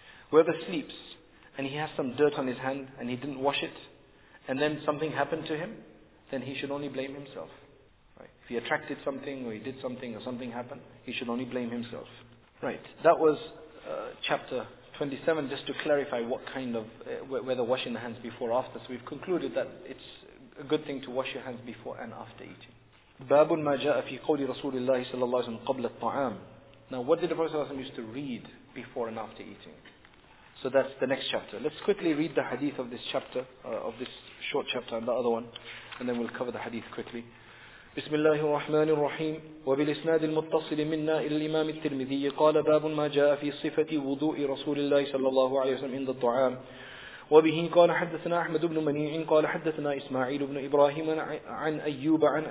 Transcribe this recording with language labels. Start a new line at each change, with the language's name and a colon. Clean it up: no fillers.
English: Whoever sleeps and he has some dirt on his hand and he didn't wash it, and then something happened to him, then he should only blame himself. Right? If he attracted something or he did something or something happened, he should only blame himself. Right. That was chapter 27, just to clarify what kind of whether washing the hands before or after. So we've concluded that it's a good thing to wash your hands before and after eating.
Arabic: باب ما جاء في قول رسول الله صلى الله عليه وسلم قبل الطعام.
English: Now what did the Prophet صلى الله عليه وسلم used to read before and after eating? So that's the next chapter. Let's quickly read the hadith of this chapter, of this short chapter and the other one, and then we'll cover the hadith quickly.
Arabic: بسم الله الرحمن الرحيم وبالإسناد المتصل منا إلى الإمام الترمذي قال باب ما جاء في صفة وضوء رسول الله صلى الله عليه وسلم عند الطعام وبه قال حدثنا أحمد بن منيع قال حدثنا إسماعيل بن إبراهيم عن أيوب